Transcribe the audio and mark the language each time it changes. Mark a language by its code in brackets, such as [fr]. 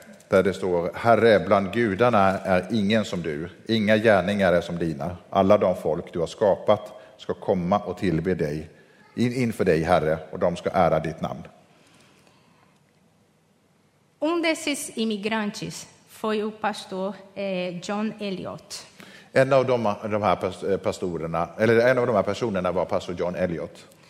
[sv] Där det står, Herre, bland gudarna är ingen som du. Inga gärningar är som dina. Alla de folk du har skapat ska komma och tillbe dig inför dig, Herre, och de ska ära ditt namn. [pt] Um desses imigrantes foi o pastor John Eliot. [sv] En av de här pastorerna, eller en av de här personerna var pastor John Eliot.